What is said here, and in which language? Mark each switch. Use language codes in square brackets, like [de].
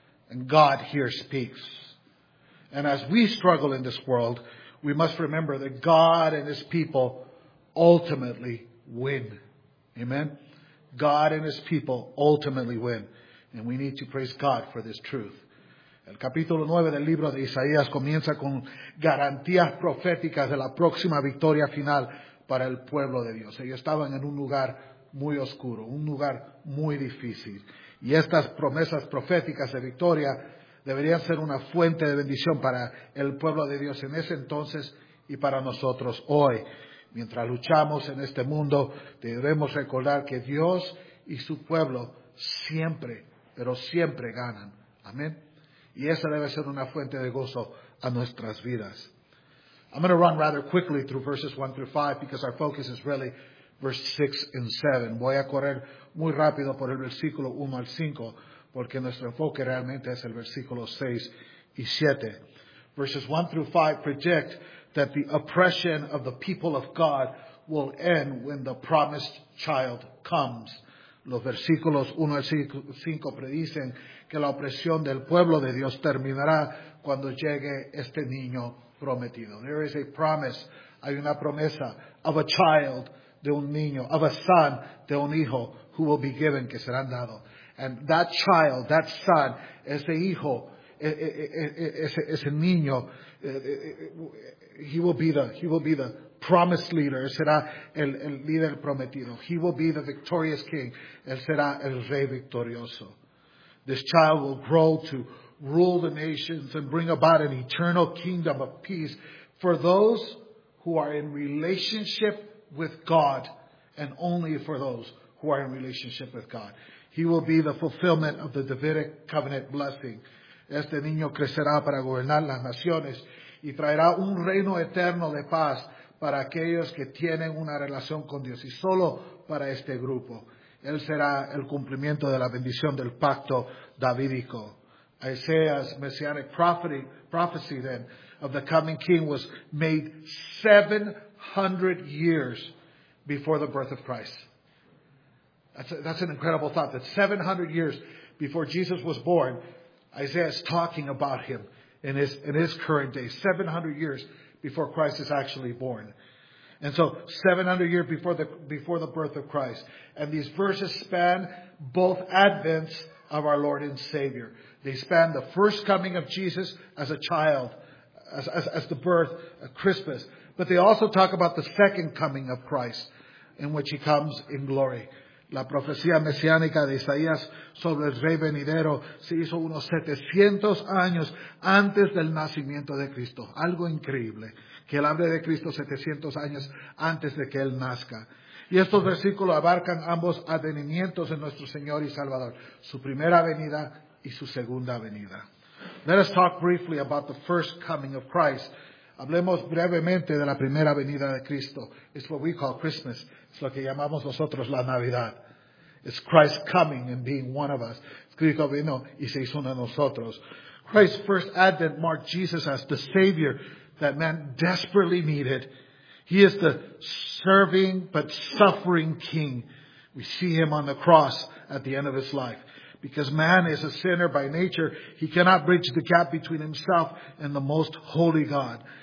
[en] And God here speaks. And as we struggle in this world, we must remember that God and His people ultimately win. Amen? God and His people ultimately win. And we need to praise God for this truth. [es] El capítulo 9 del libro de Isaías comienza con garantías proféticas de la próxima victoria final para el pueblo de Dios. Ellos estaban en un lugar muy oscuro, un lugar muy difícil. Y estas promesas proféticas de victoria deberían ser una fuente de bendición para el pueblo de Dios en ese entonces y para nosotros hoy. Mientras luchamos en este mundo, debemos recordar que Dios y su pueblo siempre, pero siempre ganan. Amén. Y esa debe ser una fuente de gozo a nuestras vidas. [en] I'm going to run rather quickly through verses 1 through 5 because our focus is really verse 6 and 7. [es] Voy a correr muy rápido por el versículo 1 al 5 porque nuestro enfoque realmente es el versículo 6 y 7. [en] Verses 1 through 5 predict that the oppression of the people of God will end when the promised child comes. [es] Los versículos 1 al 5 predicen que la opresión del pueblo de Dios terminará cuando llegue este niño prometido. [en] There is a promise, [es] hay una promesa [en] of a child, [es] de un niño, [en] of a son, [es] de un hijo, [en] who will be given, [es] que serán dado. [en] And that child, that son, [es] ese hijo, ese niño, [en] he will be the promised leader, [es] será el líder prometido. [en] He will be the victorious king, [es] él será el rey victorioso. [en] This child will grow to rule the nations and bring about an eternal kingdom of peace for those who are in relationship with God and only for those who are in relationship with God. He will be the fulfillment of the Davidic covenant blessing. [es] Este niño crecerá para gobernar las naciones y traerá un reino eterno de paz para aquellos que tienen una relación con Dios y solo para este grupo. Él será el cumplimiento de la bendición del pacto davídico. [en] Isaiah's messianic prophecy then of the coming king was made 700 years before the birth of Christ. That's an incredible thought, that 700 years before Jesus was born, Isaiah is talking about him in his current day, 700 years before Christ is actually born. And so 700 years before the birth of Christ. And these verses span both advents of our Lord and Savior. They span the first coming of Jesus as a child, as the birth of Christmas. But they also talk about the second coming of Christ, in which he comes in glory. [es] La profecía mesiánica de Isaías sobre el rey venidero se hizo unos 700 años antes del nacimiento de Cristo. Algo increíble. Que él hable de Cristo 700 años antes de que él nazca. Y estos versículos abarcan ambos advenimientos de nuestro Señor y Salvador. Su primera venida y su segunda venida. [en] Let us talk briefly about the first coming of Christ. [es] Hablemos brevemente de la primera venida de Cristo. [en] It's what we call Christmas. [es] Es lo que llamamos nosotros la Navidad. [en] It's Christ coming and being one of us. [es] Cristo vino y se hizo uno de nosotros. [en] Christ's first advent marked Jesus as the Savior that man desperately needed. He is the serving but suffering King. We see him on the cross at the end of his life. Because man is a sinner by nature, he cannot bridge the gap between himself and the most holy God.